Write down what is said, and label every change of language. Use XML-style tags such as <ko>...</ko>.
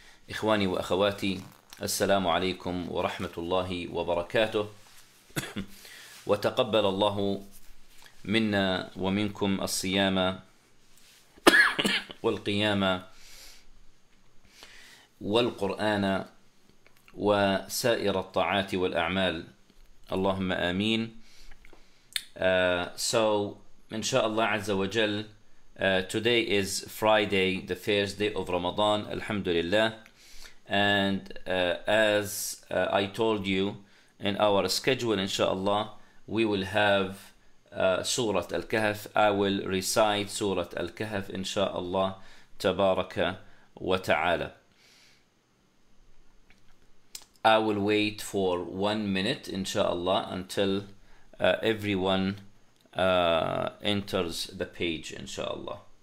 <ar>إخواني وأخواتي، السلام عليكم ورحمة الله وبركاته، وتقبل الله منا ومنكم الصيام والقيام والقرآن وسائر الطاعات والأعمال، اللهم آمين. إن شاء الله عز وجل.</ar> <en>Today is Friday, the first day of Ramadan,</en> <ar>الحمد لله.</ar> <en>And as I told you in our schedule, إن شاء الله, we will have سورة الكهف. I will recite سورة الكهف</en> <ar>إن شاء الله تبارك وتعالى.</ar> <en>I will wait for 1 minute, inshallah, until everyone enters the page, inshallah.</en>